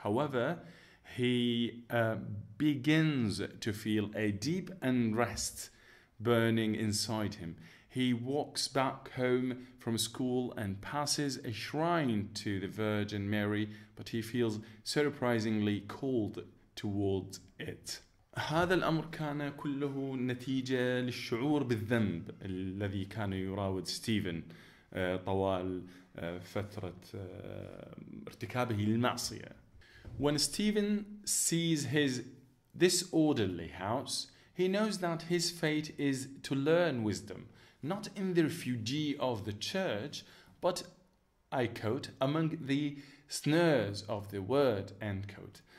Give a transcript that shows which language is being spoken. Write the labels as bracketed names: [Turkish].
[English] However, he begins to feel a deep unrest burning inside him. He walks back home from school and passes a shrine to the Virgin Mary, but he feels surprisingly cold towards it. [Arabic] هذا الأمر كان كله نتيجة للشعور بالذنب الذي كان يراود ستيفن طوال فترة ارتكابه للمعصية. [English] When Stephen sees his disorderly house, he knows that his fate is to learn wisdom, not in the refugee of the church, but, I quote, among the snares of the word, end quote.